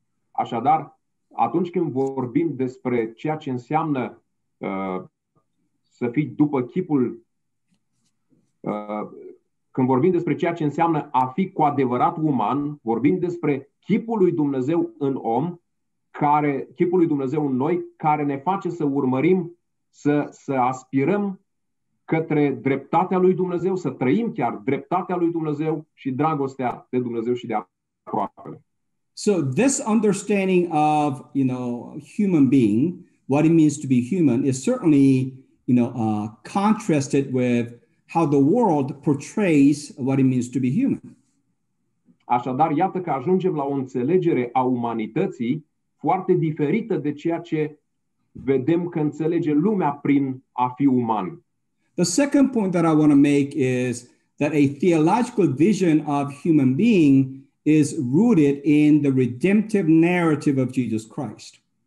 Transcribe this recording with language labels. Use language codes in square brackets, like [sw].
[ro] Așadar, atunci când vorbim despre ceea ce înseamnă să fii după chipul, când vorbim despre ceea ce înseamnă a fi cu adevărat uman, vorbim despre chipul lui Dumnezeu în om, care, chipul lui Dumnezeu în noi, care ne face să urmărim, să aspirăm către dreptatea lui Dumnezeu, să trăim chiar dreptatea lui Dumnezeu și dragostea de Dumnezeu și de aproapele. [en] So this understanding of, you know, human being, what it means to be human is certainly, you know, contrasted with how the world portrays what it means to be human. [ro] Așadar, iată că ajungem la o înțelegere a umanității foarte diferită de ceea ce vedem că înțelege lumea prin a fi uman. [en] The second point that I want to make is that a theological vision of human being is rooted in the redemptive narrative of Jesus Christ.